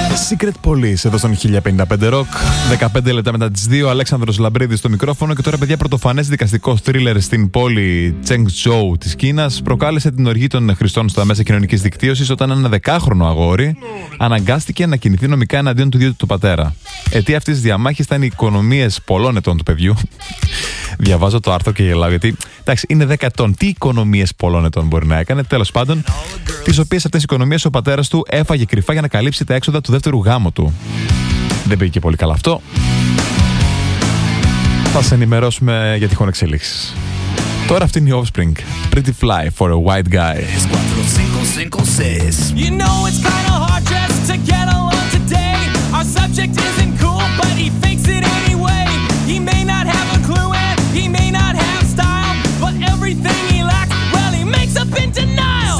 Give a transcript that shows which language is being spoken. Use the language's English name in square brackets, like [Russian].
[Greek] Secret Police εδώ στον 1055 Rock. 15 λεπτά μετά τις 2, Αλέξανδρος Λαμπρίδης στο μικρόφωνο. Και τώρα, παιδιά, πρωτοφανές δικαστικό θρίλερ στην πόλη Τσενγκτζόου της Κίνας προκάλεσε την οργή των χρηστών στα μέσα κοινωνικής δικτύωσης όταν ένα 10χρονο αγόρι αναγκάστηκε να κινηθεί νομικά εναντίον του ιδίου του πατέρα. Αιτία αυτής της διαμάχης ήταν οι οικονομίες πολλών ετών του παιδιού. Διαβάζω το άρθρο και γελάω, γιατί εντάξει, είναι 10 ετών. Τι οικονομίες πολλών ετών μπορεί να έκανε, τέλος πάντων, τις οποίες αυτές οι οικονομίες ο πατέρας του έφαγε κρυφά για να καλύψει τα έξοδα του δεύτερου γάμου του. Δεν πήγε και πολύ καλά αυτό. Θα σε ενημερώσουμε για τυχόν εξελίξεις. Τώρα αυτή είναι η Offspring. [English] Pretty fly for a white guy. You know it's kind of hard just to get along today. Our subject isn't cool, but he fakes it anyway. He may not have a clue and he may not have style, but everything he lacks, well, he makes up in denial.